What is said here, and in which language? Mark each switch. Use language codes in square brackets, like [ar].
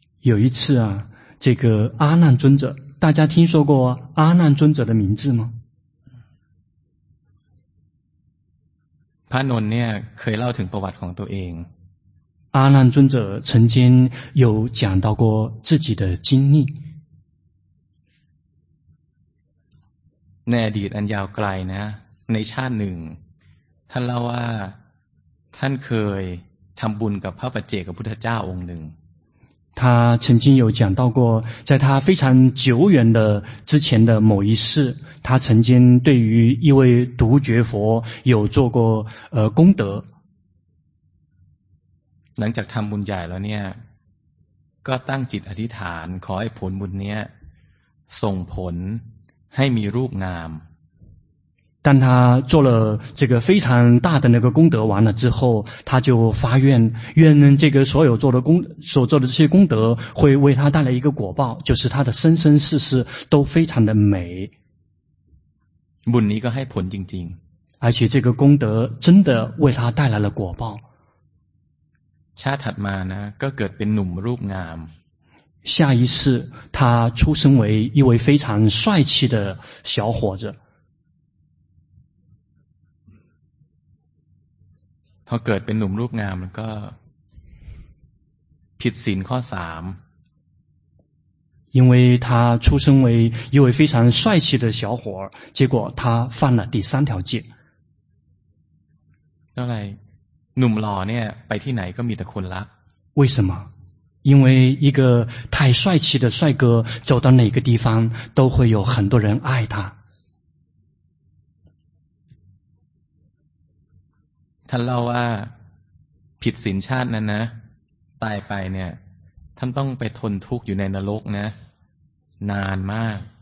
[zh] 有一次啊这个阿难尊者大家听说过阿难尊者的名字吗 [th] พระอานนท์เนี่ยเคยเล่าถึงประวัติของตัวเอง [zh] 阿难尊者曾经有讲到过自己的经历 [th] ในอดีตอันยาวไกลนะในชาติหนึ่งท่านเล่าว่าท่านเคยทำบุญกับพระปัจเจกพุทธเจ้าองค์หนึ่ง [zh] 他曾经有讲到过在他非常久远的之前的某一世他曾经对于一位独觉佛有做过功德 [th] หลังจากทำบุญใหญ่แล้วเนี่ยก็ตั้งจิตอธิษฐานขอให้ผลบุญเนี้ยส่งผลให้มีรูปงาม [zh] 当他做了这个非常大的那个功德完了之后他就发愿愿这个所有做的功所做的这些功德会为他带来一个果报就是他的生生世世都非常的美 [th] บุญนี้ก็ให้ผลจริง [zh] ๆ而且这个功德真的为他带来了果报 [th] ชาติถัดมานะก็เกิดเป็นหนุ่มรูปงาม [zh] 下一世他出生为一位非常帅气的小伙子 [th] พอเกิดเป็นหนุ่มรูปงามก็ผิดศีลข้อ3 [zh] 因为他出生为一位非常帅气的小伙结果他犯了第三条戒 [th] ก็เลยหนุ่มหล่อเนี่ยไปที่ไหนก็มีแต่คนรัก [zh] 为什么因为一个太帅气的帅哥走到哪个地方都会有很多人爱他 [th] ท่านเล่าว่าผิดศีลชาตินั้นนะตายไปเนี่ยท่านต้องไปทนทุกข์อยู่ในนรกนะนานมาก